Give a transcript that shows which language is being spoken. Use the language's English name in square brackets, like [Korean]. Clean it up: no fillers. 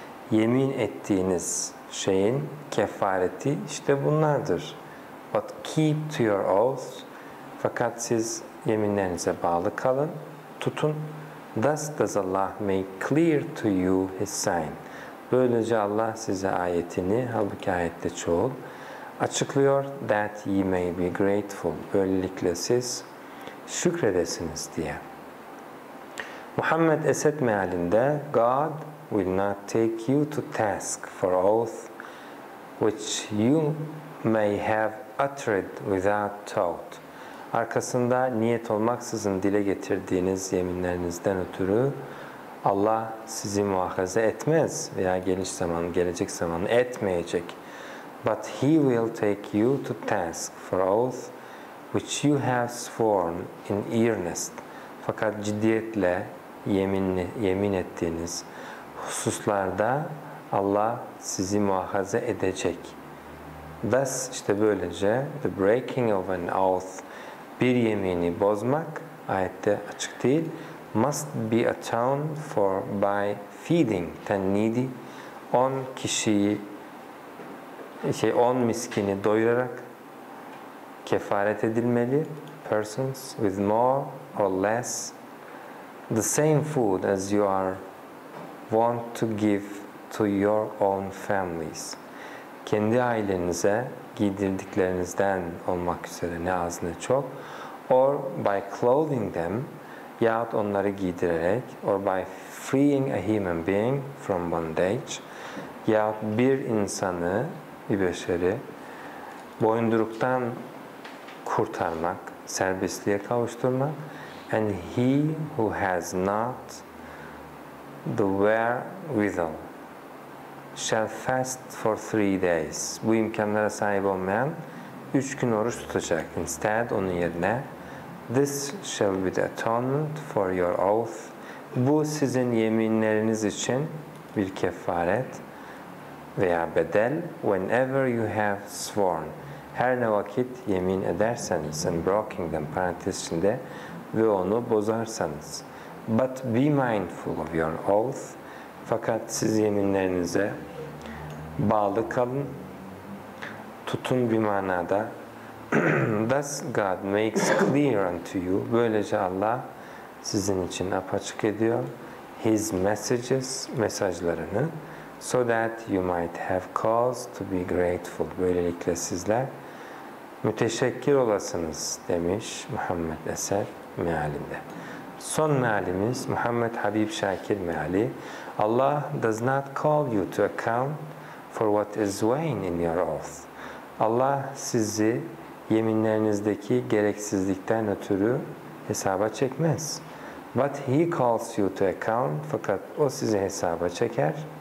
[Turkish] Yemin ettiğiniz şeyin kefareti işte bunlardır. [English] But keep to your oath. [Turkish] Fakat siz yeminlerinize bağlı kalın, tutun. [English] Thus does Allah make clear to you his sign. [Turkish] Böylece Allah size ayetini, halbuki ayette çoğul, açıklıyor. [English] That ye may be grateful. [Turkish] Böylelikle siz şükredesiniz diye. Muhammed Esed mealinde [English] God will not take you to task for oath which you may have uttered without thought. [Turkish] Arkasında niyet olmaksızın dile getirdiğiniz yeminlerinizden ötürü Allah sizi muahaze etmez veya gelecek zaman etmeyecek. [English] But he will take you to task for oath which you have sworn in earnest. [Turkish] Fakat ciddiyetle yemin ettiğiniz hususlarda Allah sizi muahaze edecek. [English] Thus [Turkish] işte böylece [English] the breaking of an oath, [Turkish] bir yemini bozmak, ayette açık değil, [English] must be atoned for by feeding 10 needy, [Turkish] 10 kişiyi 10 miskini doyurarak kefaret edilmeli. [English] Persons with more or less the same food as you are want to give to your own families. [Turkish] Kendi ailenize giydirdiklerinizden olmak üzere ne az ne çok. [English] Or by clothing them, [Turkish] yahut onları giydirerek. [English] Or by freeing a human being from bondage, [Turkish] yahut bir insanı, bir beşeri boyunduruktan kurtarmak, serbestliğe kavuşturmak. [English] And he who has not the wherewithal shall fast for 3 days. [Turkish] Bu imkanlara sahip olmayan 3 gün oruç tutacak. [English] Instead, [Turkish] onun yerine, [English] this shall be the atonement for your oath. [Turkish] Bu sizin yeminleriniz için bir kefaret veya bedel. [English] Whenever you have sworn, [Turkish] her ne vakit yemin ederseniz, [English] and broken them, [Turkish] parantez içinde, ve onu bozarsanız. [English] But be mindful of your oath. [Turkish] Fakat siz yeminlerinize bağlı kalın, tutun bir manada. [English] Thus God makes clear unto you. [Turkish] Böylece Allah sizin için apaçık ediyor [English] his messages, [Turkish] mesajlarını. [English] So that you might have cause to be grateful. [Turkish] Böylelikle sizler müteşekkir olasınız, demiş Muhammed Esed mealinde. Son mealimiz Muhammed Habib Şakir meali. [English] Allah does not call you to account for what is vain in your oath. [Turkish] Allah sizi yeminlerinizdeki gereksizlikten ötürü hesaba çekmez. [English] But he calls you to account. [Turkish] Fakat o sizi hesaba çeker.